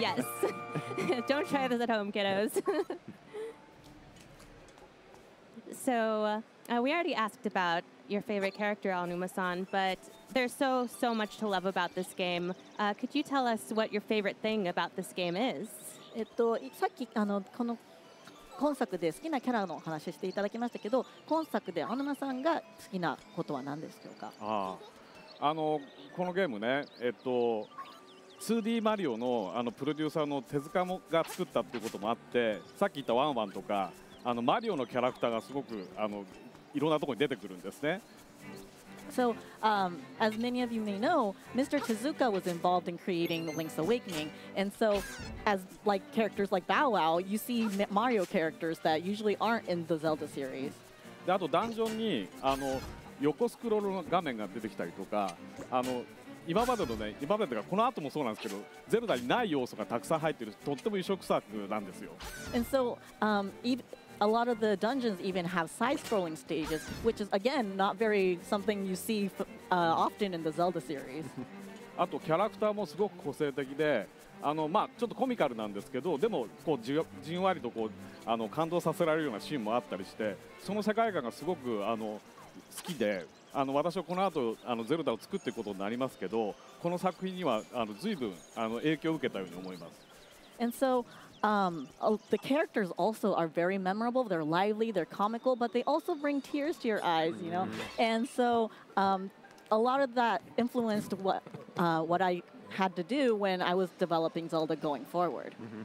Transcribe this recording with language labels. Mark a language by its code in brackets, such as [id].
[en] Yes. Don't try this at home, kiddos. So we already asked about your favorite character, Aonuma-san, but there's so much to love about this game. Could you tell us what your favorite thing about this game is? [ja] さっきこの今作で好きなキャラの話をしていただきましたけど、今作で Aonuma-san が好きなことは何でしょうか？このゲームね、2D マリオ のプロデューサーの手塚もが作ったっていうこともあって、さっき言ったワンワンとか、マリオのキャラクターがすごくいろんなところに出てくるんですね。 [en] So, as many of you may know, Mr. Tezuka was involved in creating Link's Awakening. And so, as like characters like Bow Wow, you see Mario characters that usually aren't in the Zelda series. [ja] で、あとダンジョンに横スクロールの画面が出てきたりとか、今までのね、今までというかこの後もそうなんですけど、ゼルダにない要素がたくさん入っている、とっても異色作なんですよ。 [en] And so, a lot of the dungeons even have side-scrolling stages, which is, again, not very something you see often in the Zelda series. [ja] あとキャラクターもすごく個性的で、あのまあちょっとコミカルなんですけど、でもこう じんわりとこうあの感動させられるようなシーンもあったりして、その世界観がすごくあの好きで、あの私はこの後あのゼルダを作っていくことになりますけど、この作品にはあの随分あの影響を受けたように思います。 [en] And so, the characters also are very memorable. They're lively, they're comical, but they also bring tears to your eyes, you know. And so, a lot of that influenced what I had to do when I was developing Zelda going forward.